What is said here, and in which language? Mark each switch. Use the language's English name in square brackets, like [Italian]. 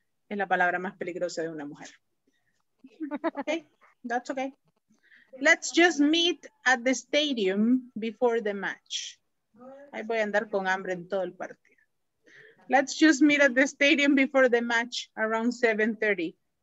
[Spanish] Es la palabra más peligrosa de una mujer. [English] Okay, that's okay. Let's just meet at the stadium before the match. [Spanish] Ahí voy a andar con hambre en todo el partido. [English] Let's just meet at the stadium before the match around 7:30.